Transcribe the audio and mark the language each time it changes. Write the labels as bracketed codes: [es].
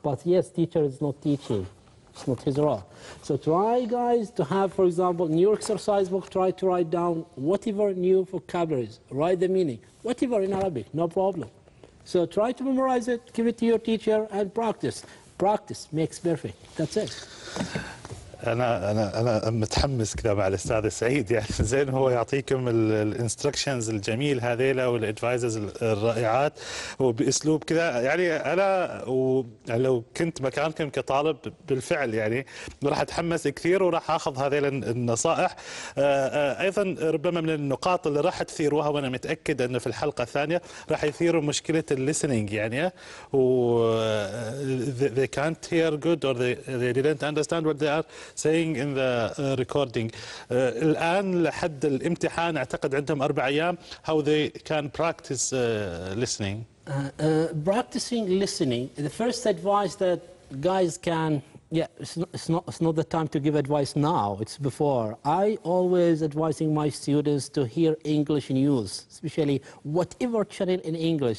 [en] But yes, teacher is not teaching. It's not his role. So try, guys, to have, for example, new exercise book, try to write down whatever new vocabularies, write the meaning, whatever in Arabic, no problem. So try to memorize it, give it to your teacher, and practice. Practice makes perfect. That's it. [ar] انا انا انا متحمس كذا مع الاستاذ سعيد يعني زين هو يعطيكم الانستركشنز الجميل هذيلا والادفايزز الرائعات وباسلوب كذا يعني انا لو كنت مكانكم كطالب بالفعل يعني راح اتحمس كثير وراح اخذ هذيلا النصائح ايضا ربما من النقاط اللي راح تثيروها وانا متاكد انه في الحلقه الثانيه راح يثيروا مشكله الليسننج يعني و [en] they can't hear good or they didn't understand what they are saying in the recording. [ar] الآن لحد الامتحان أعتقد عندهم أربع أيام. [en] How they can practice listening? Practicing listening. The first advice that guys can Yeah, it's not the time to give advice now. It's before. I always advising my students to hear English news, especially whatever channel in English.